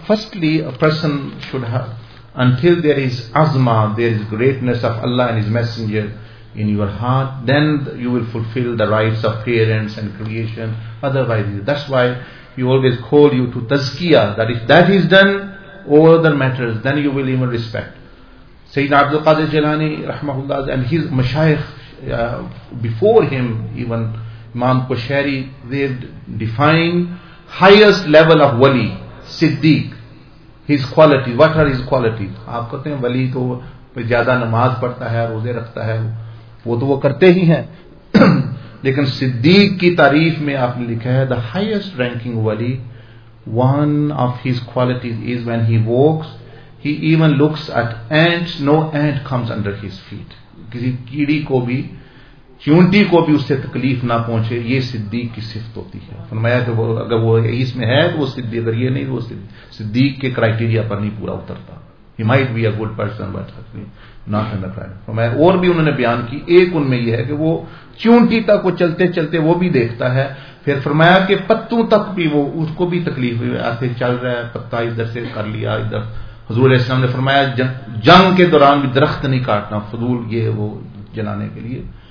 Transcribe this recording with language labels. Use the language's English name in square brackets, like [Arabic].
[English] Firstly a person should have, until there is azma, there is greatness of Allah and his messenger in your heart, then you will fulfill the rights of parents and creation, otherwise that's why he always call you to tazkiyah, that if that is done all other matters then you will even respect. سید عبد القادر جیلانی رحمۃ اللہ and his مشائخ before him even امام قشیری, they define highest level of ولی صدیق, his quality, what are his quality. [Urdu] آپ کہتے ہیں ولی تو زیادہ نماز پڑھتا ہے, روزے رکھتا ہے, وہ تو وہ کرتے ہی ہیں, لیکن صدیق کی تعریف میں آپ نے لکھا ہے [English] The highest ranking ولی, one of his qualities is when he walks he even looks at ants, no ant comes under his feet. [Urdu] کسی کیڑی کو بھی چونٹی کو بھی اس سے تکلیف نہ پہنچے, یہ صدیق کی صفت ہوتی ہے. فرمایا کہ وہ اگر وہ اس میں ہے تو وہ صدیق, اگر یہ نہیں وہ صدیق کے کرائٹیریا پر نہیں پورا اترتا. [English] He might be a good person but not in the crowd. [Urdu] فرمایا اور بھی انہوں نے بیان کی, ایک ان میں یہ ہے کہ وہ چونٹی تک وہ چلتے چلتے وہ بھی دیکھتا ہے, پھر فرمایا کہ پتوں تک بھی وہ اس کو بھی تکلیف ہوئی, ایسے چل رہا ہے پتا ادھر سے کر لیا ادھر. حضور علیہ السلام نے فرمایا جنگ کے دوران بھی درخت نہیں کاٹنا فضول, یہ وہ جلانے کے لیے.